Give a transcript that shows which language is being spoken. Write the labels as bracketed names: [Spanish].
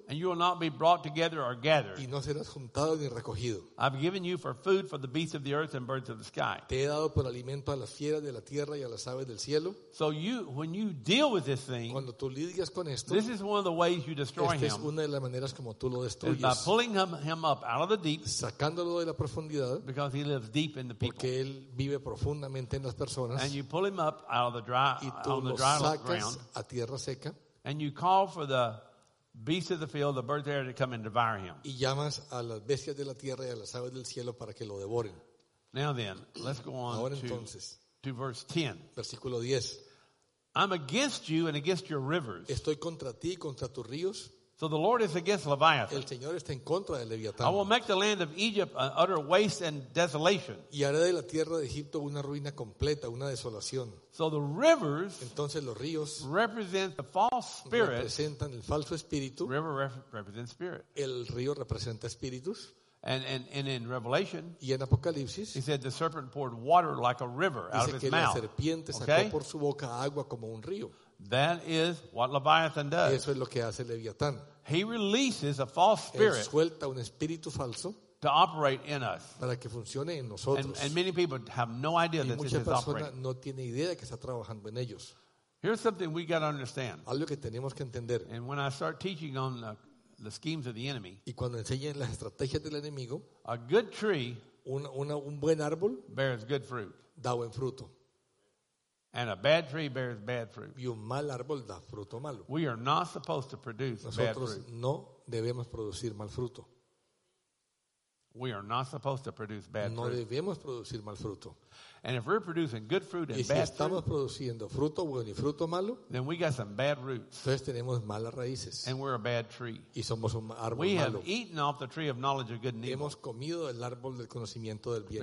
[English] And you will not be brought together or gathered. [Spanish] Y no serás juntado ni recogido. [English] I've given you for food for the beasts of the earth and birds of the sky. [Spanish] Te he dado por alimento a las fieras de la tierra y a las aves del cielo. [English] So you, when you deal with this thing, [Spanish] cuando tú lidias con esto, [English] this is one of the ways you destroy him. [Spanish] Esta es una de las maneras como tú lo destruyes. [English] By pulling him up out of the deep. [Spanish] Sacándolo de la profundidad. [English] Because he lives deep in the people. [Spanish] Porque él vive profundamente en las personas. [English] And you pull him up out of the dry on the dry ground [Spanish] a tierra seca, [English] and you call for the beasts of the field, the birds of the air to come and devour him. [Spanish] Y llamas a las bestias de la tierra y a las aves del cielo para que lo devoren. [English] Now then, let's go on [Spanish] ahora entonces, [English] to verse 10. [Spanish] Versículo 10. [English] I'm against you and against your rivers. [Spanish] Estoy contra ti y contra tus ríos. [English] So the Lord is against Leviathan. [Spanish] El Señor está en contra de Leviatán. [English] I will make the land of Egypt an utter waste and desolation. [Spanish] Y haré de la tierra de Egipto una ruina completa, una desolación. [English] So the rivers, [Spanish] entonces los ríos, [English] represent the false spirit. [Spanish] Representan el falso espíritu. [English] River represents spirit. [Spanish] El río representa espíritus. [English] And in Revelation, [Spanish] y en Apocalipsis, [English] he said the serpent poured water like a river out of his mouth. [Spanish] Dice que la serpiente sacó por su boca agua como un río. [English] That is what Leviathan does. [Spanish] Eso es lo que hace Leviatán. [English] He releases a false spirit. [Spanish] Él suelta un espíritu falso. [English] To operate in us. [Spanish] Para que funcione en nosotros. [English] And many people have no idea that this is operating. [Spanish] Y mucha persona no tiene idea de que está trabajando en ellos. [English] Here's something we got to understand. [Spanish] Algo que tenemos que entender. [English] And when I start teaching on the schemes of the enemy. [Spanish] Y cuando enseñe las estrategias del enemigo. [English] A good tree. [Spanish] Un buen árbol. [English] Bears good fruit. [Spanish] Da buen fruto. [English] And a bad tree bears bad fruit. [Spanish] Y un mal árbol da fruto malo. [English] We are not supposed to produce [Spanish] nosotros [English] bad fruit. [Spanish] No debemos producir mal fruto. [English] We are not supposed to produce bad fruit. [Spanish] No debemos producir mal fruto. [English] And if we're producing good fruit and [Spanish] y si [English] bad [Spanish] estamos [English] fruit, [Spanish] produciendo fruto bueno y fruto malo, [English] then we got some bad roots. [Spanish] Entonces tenemos malas raíces. [English] And we're a bad tree. [Spanish] Y somos un árbol [English] we [Spanish] malo. [English] Have eaten off the tree of knowledge of good and evil. [Spanish] Hemos comido del árbol del conocimiento del bien